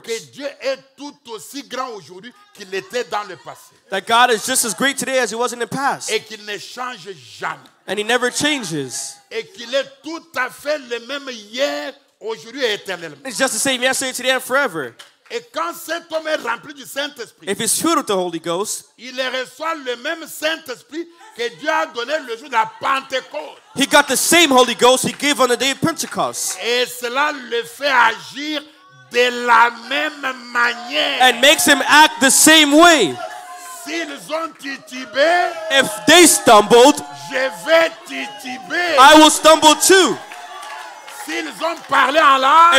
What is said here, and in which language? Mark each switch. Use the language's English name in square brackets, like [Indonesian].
[French] Que Dieu est tout aussi grand aujourd'hui qu'il était dans le passé. [English] That God is just as great today as he was in the past. [French] Et qu'il ne change jamais. [English] And he never changes. [French] Et qu'il est tout à fait le même hier, aujourd'hui et éternellement. [English] It's just the same yesterday, today, and forever. [French] Et quand cet homme est rempli du Saint-Esprit, [English] if he's filled with the Holy Ghost, [French] il reçoit le même Saint-Esprit que Dieu a donné le jour de la Pentecôte. [English] He got the same Holy Ghost he gave on the day of Pentecost. [French] Et cela le fait agir de la même manière. [English] And makes him act the same way. [French] S'ils ont titubé, [English] if they stumbled, [French] je vais titiber. [English] I will stumble too. [French] S'ils ont parlé en langue,